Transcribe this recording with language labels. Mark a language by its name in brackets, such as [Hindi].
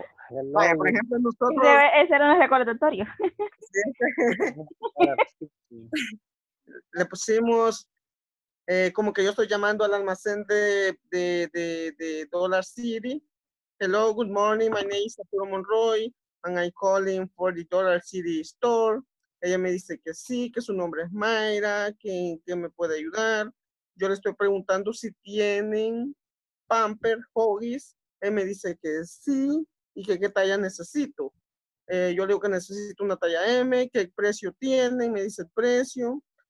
[Spanish] Hello. Vaya, por ejemplo, nosotros. Debe, ese era nuestro recordatorio. Le pusimos. Como que yo estoy llamando al almacén de Dollar City. [English] Hello, good morning, my name is Arturo Monroy, and I'm calling for the Dollar City store. [Spanish] Ella me dice que sí, que su nombre es Mayra, que me puede ayudar. Yo le estoy preguntando si tienen Pampers, Huggies. Ella me dice que sí, y que qué talla necesito. Yo le digo que necesito una talla M, qué precio tienen, me dice el precio.